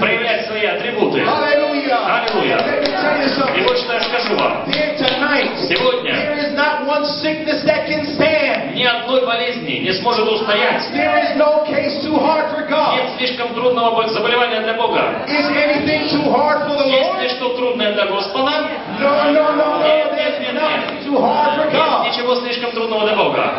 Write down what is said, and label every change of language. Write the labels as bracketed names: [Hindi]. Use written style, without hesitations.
[Russian] проявлять свои атрибуты. Alleluia. Аллилуйя. Alleluia. И вот что я скажу вам. [English] Tonight, [Russian] сегодня. [English] Sickness that can stand. [Russian] Ни одной болезни не сможет устоять. [English] There is no case too hard for God. [Russian] Нет слишком трудного заболевания для Бога. [English] Is anything too hard for the Lord? [Russian] Есть ли что трудное для Господа? Нет. Нет ничего слишком трудного для Бога.